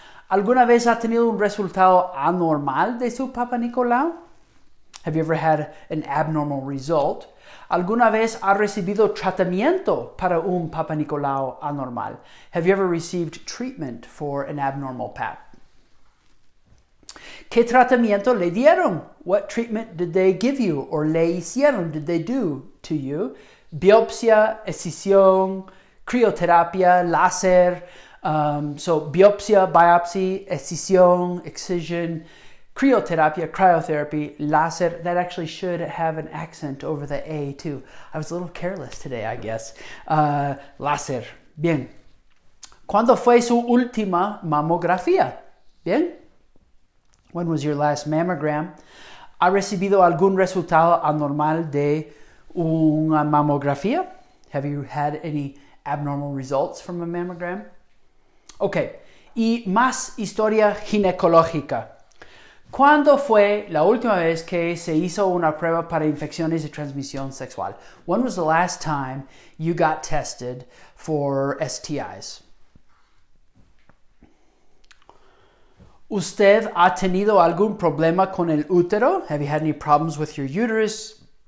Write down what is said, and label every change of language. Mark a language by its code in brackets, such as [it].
[es] ¿Alguna vez ha tenido un resultado anormal de su Papa Nicolau? [en] Have you ever had an abnormal result? [es] ¿Alguna vez ha recibido tratamiento para un Papa Nicolau anormal? [en] Have you ever received treatment for an abnormal pap? [es] ¿Qué tratamiento le dieron? [en] What treatment did they give you or [es] le hicieron, [en] did they do to you? [es] Biopsia, escisión, crioterapia, láser. [en] So biopsia, biopsy, escisión, excision. Cryotherapia, cryotherapy, láser. That actually should have an accent over the A too. I was a little careless today, I guess. Láser. Bien. [es] ¿Cuándo fue su última mamografía? Bien. [en] When was your last mammogram? [es] ¿Ha recibido algún resultado anormal de una mamografía? [en] Have you had any abnormal results from a mammogram? [es] Okay. Y más historia ginecológica. ¿Cuándo fue la última vez que se hizo una prueba para infecciones de transmisión sexual? [en] When was the last time you got tested for STIs? [es] ¿Usted ha tenido algún problema con el útero? [en] Have you had any problems with your uterus?